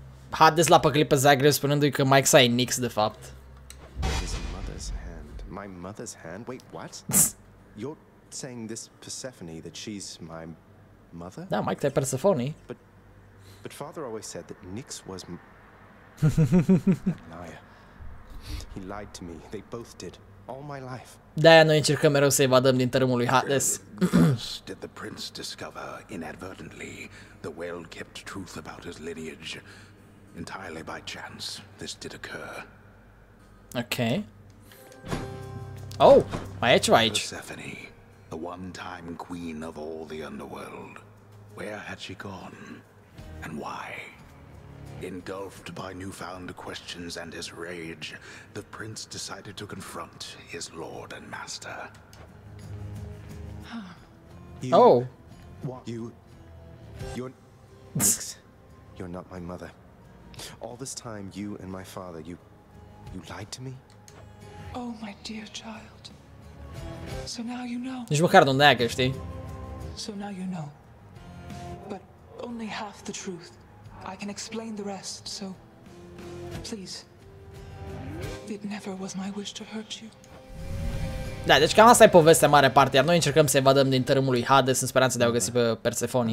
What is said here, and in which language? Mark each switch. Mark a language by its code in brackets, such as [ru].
[ro] Hades l-a păcălit pe Zagreus spunându-i că maica e Nyx de fapt. [en] His mother's hand. My mother's hand. Wait, what? You're saying this Persephone that she's my mother? [ro] Da, maica e Persephone. [en] But father always said that Nyx was liar. He lied to me. They both did. All my life. [ro] De-aia noi încercăm mereu să evadăm din tărâmul lui Hades. [en] Did the prince discover inadvertently the well-kept truth about his lineage? Entirely by chance, this did occur. Okay. Oh, my age, my age. Persephone, the one-time queen of all the underworld. Where had she gone? And why? Engulfed by newfound questions and his rage, the prince decided to confront his lord and master. Oh. What? You're... Nyx. You're not my mother. All this time, you and my father, you lied to me? Oh, my dear child. So now you know. [ro] Nici măcar nu neagă, știi? [en] So now you know. But only half the truth. I can explain the rest, so... Please. It never was my wish to hurt you. [ro] Da, deci cam asta e povestea mare parte, iar noi încercăm să evadăm din tărâmul lui Hades în speranța de a o găsi pe Persephone.